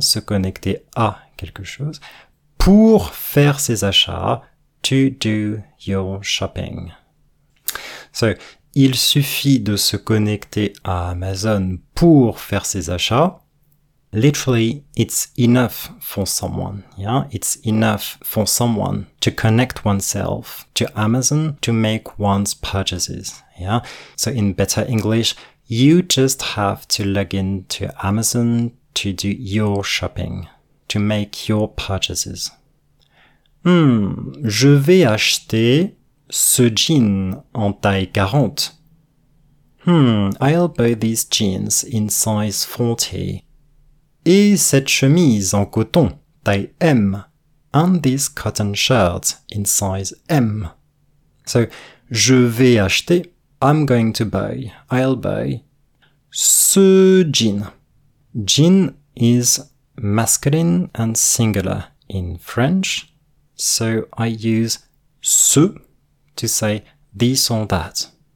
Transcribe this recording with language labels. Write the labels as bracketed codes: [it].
[fr] Se connecter à quelque chose, pour faire ses achats, [en] to do your shopping. [fr] So, il suffit de se connecter à Amazon pour faire ses achats. [en] Literally, it's enough for someone, yeah? It's enough for someone to connect oneself to Amazon to make one's purchases, yeah? So in better English, you just have to log in to Amazon to do your shopping, to make your purchases. [fr] Je vais acheter ce jean en taille 40. [en] I'll buy these jeans in size 40. [fr] Et cette chemise en coton, taille M. [en] And this cotton shirt in size M. So, je vais acheter, I'm going to buy, I'll buy, ce jean. Jean is masculine and singular in French. So, I use ce to say this or that.